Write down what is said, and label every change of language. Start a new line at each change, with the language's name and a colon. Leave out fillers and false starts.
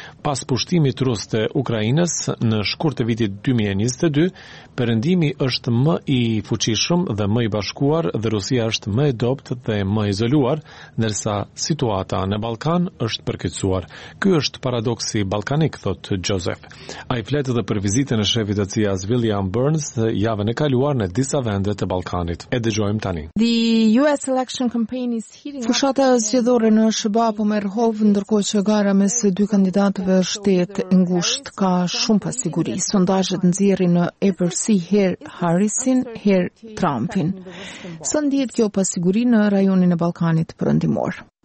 Albanian: Pas pushtimit rus të Ukrainës në shkurt të vitit 2022, Perëndimi është më i fuqishëm dhe më i bashkuar dhe Rusia është më e dobtë dhe më izoluar, ndërsa situata në Ballkan është përkeqësuar. Ky është paradoksi ballkanik, thot Joseph. Ai flet edhe për vizitën e shefit të CIA-s William Burns javën e kaluar në disa vende të Ballkanit. E dëgjojmë tani.
English: The US election campaign is heating up.
Albanian: Fushata zgjedhore në SBA po merr hollë, ndërkohë që gara mes dy kandidatëve është e ngushtë, ka shumë pasiguri. Sondazhet nxjerrin në epër si her Harrisin, her Trumpin. Së ndihet kjo pasiguri në rajonin e Ballkanit Perëndimor.